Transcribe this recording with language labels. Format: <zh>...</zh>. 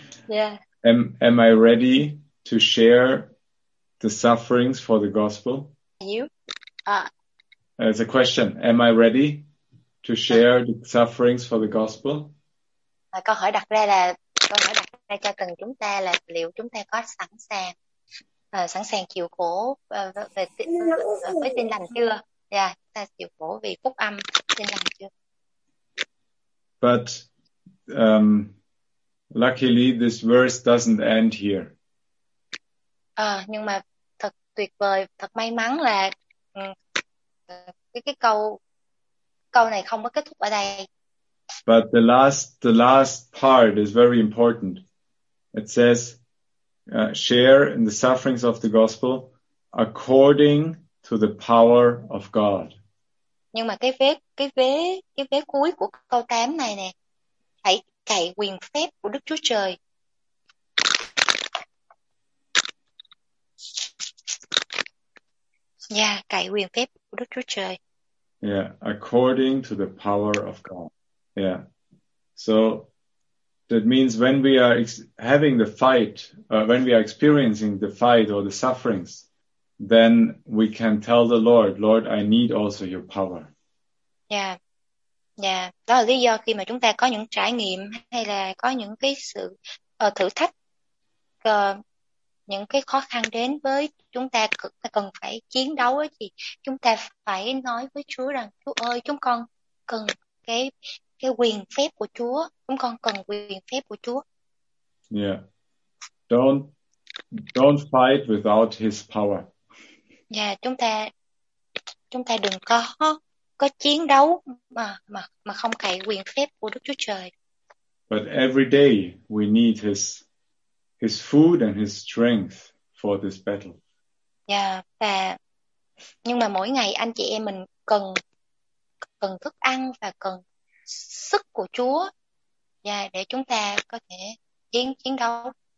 <en>Am I ready to share the sufferings for the gospel? It's a question. Am I ready to share the sufferings for the gospel?</en> <vi>Câu hỏi đặt ra cho từng chúng ta là liệu chúng ta có sẵn sàng chịu khổ với tin lành chưa? Chúng ta chịu khổ vì phúc âm tin lành chưa?</vi> <en>But luckily this verse doesn't end here.</en> <vi>Nhưng mà thật tuyệt vời, thật may mắn là cái câu này không có kết thúc ở đây.</vi> <en>But the last part is very important. It says, share in the sufferings of the gospel according to the power of God.</en> <vi>Nhưng mà cái vế cuối của câu 8 này nè, hãy cậy quyền phép của Đức Chúa Trời. Cậy quyền phép của Đức Chúa Trời.</vi> <en>According to the power of God. Yeah. So that means when we are having the fight, when we are experiencing the fight or the sufferings, then we can tell the Lord, Lord, I need also your power.</en> <vi>Đó là lý do khi mà chúng ta có những trải nghiệm hay là có những cái sự thử thách, những cái khó khăn đến với chúng ta, cần phải chiến đấu ấy, thì chúng ta phải nói với Chúa rằng, Chúa ơi, chúng con cần cái quyền phép của Chúa, chúng con cần quyền phép của Chúa.</vi> <en>Don't fight without his power.</en> <vi>Chúng ta đừng có chiến đấu mà không cậy quyền phép của Đức Chúa Trời.</vi> <en>But every day we need his food and his strength for this battle.</en> <vi>Nhưng mà mỗi ngày anh chị em mình cần thức ăn và cần sức của Chúa để chúng ta có thể chiến đấu.</vi>